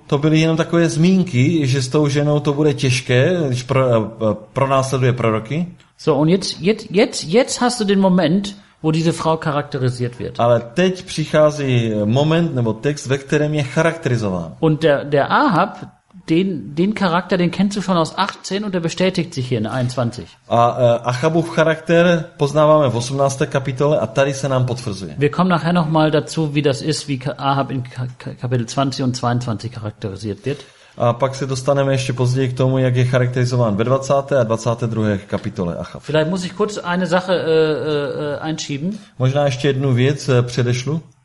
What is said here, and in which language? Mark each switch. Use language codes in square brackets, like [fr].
[cs] To byly jenom takové zmínky, že s tou ženou to bude těžké, když pronásleduje proroky. [de] So und jetzt hast du den Moment, wo diese Frau charakterisiert wird. [cs] Ale teď přichází moment nebo text, ve kterém je charakterizován. [de] Und der Ahab, den Charakter, den kennst du schon aus 18 und der bestätigt sich hier in 21. [cs] A Achabův charakter poznáváme v 18. kapitole a tady se nám potvrzuje. [de] Wir kommen nachher noch mal dazu, wie das ist, wie Ahab in Kapitel 20 und 22 charakterisiert wird. [cs] A pak se dostaneme ještě později k tomu, jak je charakterizován ve 20. a 22. kapitole Achab. [de] Vielleicht muss ich kurz eine Sache einschieben. [cs] Možná ještě jednu věc předešlu.